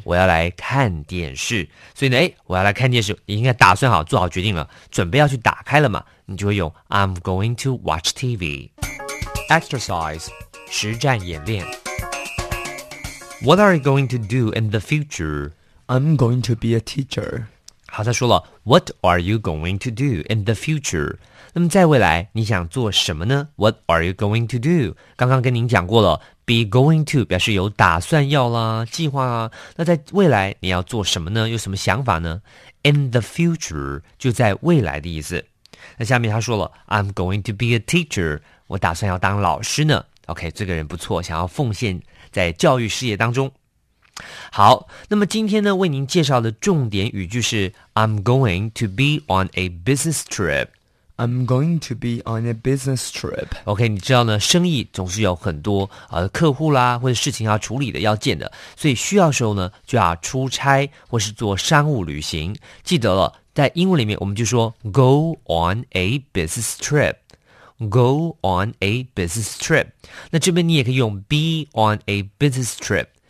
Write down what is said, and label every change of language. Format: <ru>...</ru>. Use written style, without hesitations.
<zh>我要来看电视。所以呢，哎，我要来看电视，你应该打算好做好决定了，准备要去打开了嘛，你就会用</zh> <en>I'm going to watch TV。</en> <zh>Exercise 实战演练。</zh> <en>What are you going to do in the future? I'm going to be a teacher.</en> <zh>好，他说了</zh> <en>What are you going to do in the future?</en> <zh>那么在未来你想做什么呢？</zh> <en>What are you going to do?</en> <zh>刚刚跟您讲过了，</zh> <en>be going to</en> <zh>表示有打算要啦，计划啊。那在未来你要做什么呢？有什么想法呢？</zh> <en>In the future</en> <zh>就在未来的意思。那下面他说了</zh> <en>I'm going to be a teacher.</en> <zh>我打算要当老师呢。 OK， 这个人不错，想要奉献在教育事业当中。好，那么今天呢，为您介绍的重点语句是</zh> <en>I'm going to be on a business trip。 I'm going to be on a business trip.</en> <zh>OK， 你知道呢，生意总是有很多客户啦，或者事情要处理的，要见的，所以需要的时候呢，就要出差或是做商务旅行。记得了，在英文里面我们就说</zh> <en>go on a business trip。 Go on a business trip.</en> <zh>那这边你也可以用</zh> <en>be on a business trip.</en>